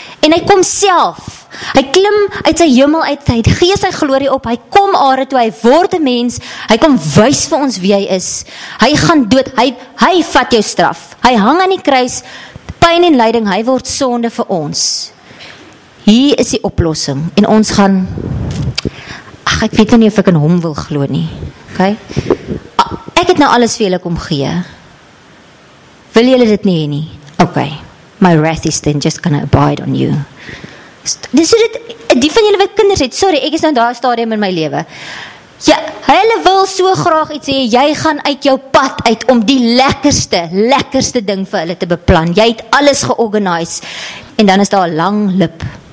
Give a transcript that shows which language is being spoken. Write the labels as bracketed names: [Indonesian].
[Afrikaans] En hy kom self, hy klim uit sy hemel uit, hy gee sy glorie op, hy kom aarde toe, hy word 'n mens, hy kom wys vir ons wie hy is, hy gaan dood, hy vat jou straf, hy hang aan die kruis, pyn en lyding, hy word sonde vir ons. Hier is die oplossing, en ons gaan, ach, ek weet nou nie of ek in hom wil glo nie, okay? Ek het nou alles vir julle kom gee, wil julle dit nie nie? [English] Okay, my wrath is then just gonna abide on you. [Afrikaans] Dis so dat, die van julle wat kinders het, sorry, ek is nou daar stadium in my lewe, ja, hulle wil so graag iets sê, jy gaan uit jou pad uit om die lekkerste ding vir hulle te beplan, jy het alles georganiseer, en dan is daar 'n lang lip.